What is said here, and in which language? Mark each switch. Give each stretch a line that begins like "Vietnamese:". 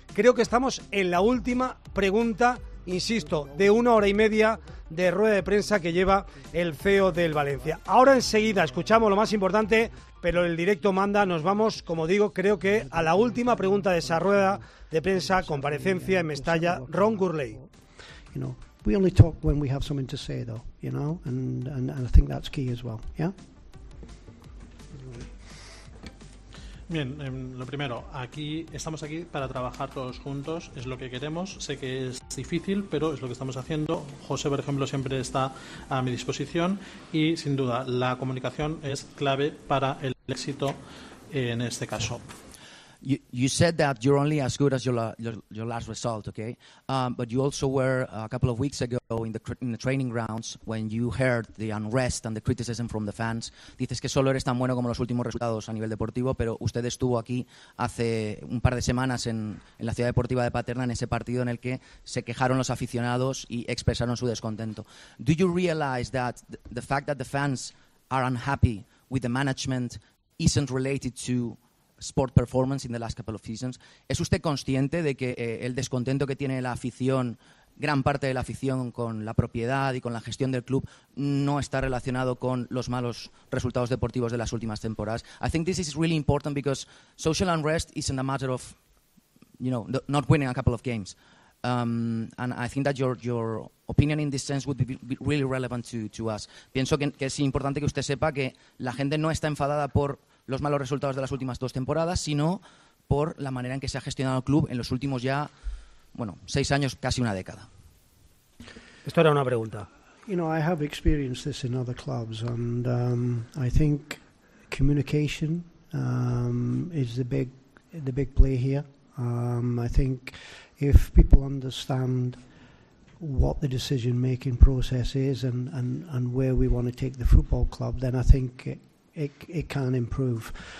Spanish: Creo que estamos en la última pregunta, insisto, de una hora y media de rueda de prensa que lleva el CEO del Valencia. Ahora enseguida escuchamos lo más importante, pero el directo manda, nos vamos, como digo, creo que a la última pregunta de esa rueda de prensa, comparecencia en Mestalla, Ron Gurley.
English: We only talk when we have something to say, though, you know, and I think that's key as well, yeah?
Spanish: Bien, lo primero, aquí estamos aquí para trabajar todos juntos, es lo que queremos. Sé que es difícil, pero es lo que estamos haciendo. José, por ejemplo, siempre está a mi disposición y, sin duda, la comunicación es clave para el éxito en este caso.
English: You said that you're only as good as your last result, okay? But you also were a couple of weeks ago in the training grounds when you heard the unrest and the criticism from the fans.
Spanish: Dices que solo eres tan bueno como los últimos resultados a nivel deportivo, pero usted estuvo aquí hace un par de semanas en la ciudad deportiva de Paterna en ese partido en el que se quejaron los aficionados y expresaron su descontento.
English: Do you realize that the fact that the fans are unhappy with the management isn't related to sport performance in the last couple of seasons?
Spanish: ¿Es usted consciente de que el descontento que tiene la afición, gran parte de la afición, con la propiedad y con la gestión del club, no está relacionado con los malos resultados deportivos de las últimas temporadas?
English: I think this is really important because social unrest isn't a matter of, you know, not winning a couple of games. And I think that your opinion in this sense would be really relevant to us.
Spanish: Pienso que es importante que usted sepa que la gente no está enfadada por los malos resultados de las últimas dos temporadas, sino por la manera en que se ha gestionado el club en los últimos ya, bueno, seis años, casi una década. Esto era una pregunta.
English: You know, I have experienced this in other clubs, and I think communication is the big play here. I think if people understand what the decision making process is and where we want to take the football club, then I think it can improve.